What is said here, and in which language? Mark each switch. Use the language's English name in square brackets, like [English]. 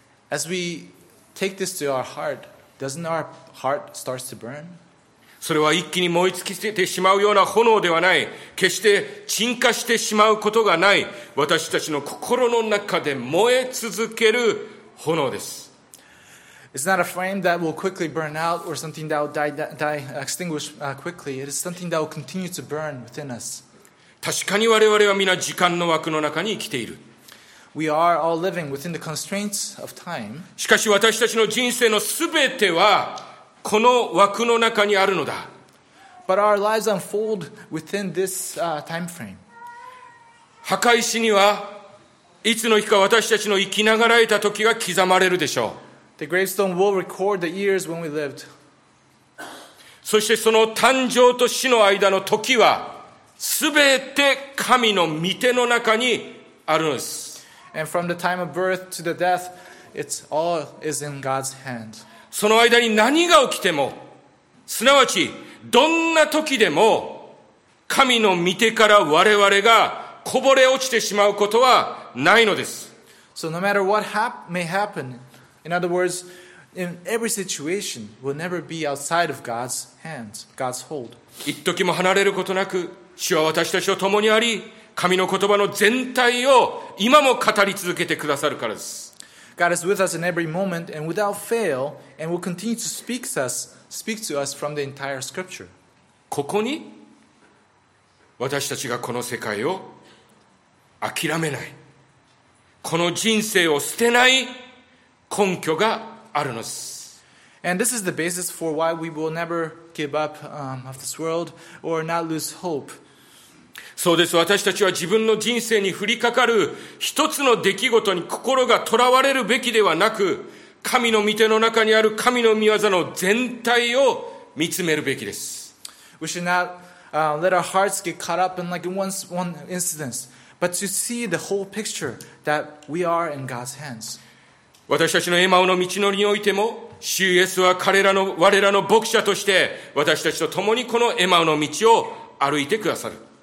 [English] As we take this to our heart, doesn't our heart start to burn? [Japanese] それは一気に燃え尽きてしまうような炎ではない。決して沈下してしまうことがない。私たちの心の中で燃え続ける炎です。 [English] It's not a flame that will quickly burn out or something that will die extinguish quickly. It is something that will continue to burn within us. [Japanese] 確かに我々は皆時間の枠の中に生きている。 [English] We are all living within the constraints of time. [Japanese] しかし私たちの人生のすべてはこの枠の中にあるのだ。 [English] But our lives unfold within this time frame. [Japanese] 墓石にはいつの日か私たちの生きながらえた時が刻まれるでしょう。 [English] The gravestone will record the years when we lived. [Japanese] そしてその誕生と死の間の時は全て神の御手の中にあるのです。 [English] And from the time of birth to the death, It's all is in God's hand. [Japanese] その間に何が起きても、すなわちどんな時でも、神の御手から我々がこぼれ落ちてしまうことはないのです。 [English] So no matter what may happen, in other words, in every situation, we'll never be outside of God's hands, God's hold. [Japanese] 一時も離れることなく、主は私たちと共にあり、神の言葉の全体を今も語り続けてくださるからです。 [English] God is with us in every moment and without fail, and will continue to speak to us from the entire scripture. [Japanese] ここに私たちがこの世界を諦めない、この人生を捨てない根拠があるのです。 [English] And this is the basis for why we will never give up of this world or not lose hope. [Japanese] そうです。私たちは自分の人生に降りかかる一つの出来事に心がとらわれるべきではなく、神の御手の中にある神の御業の全体を見つめるべきです。 [English] We should not let our hearts get caught up in like one incident, but to see the whole picture that we are in God's hands. [Japanese] 私たちのエマオの道のりにおいても、主イエスは我らの牧者として、私たちと共にこのエマオの道を歩いてくださる。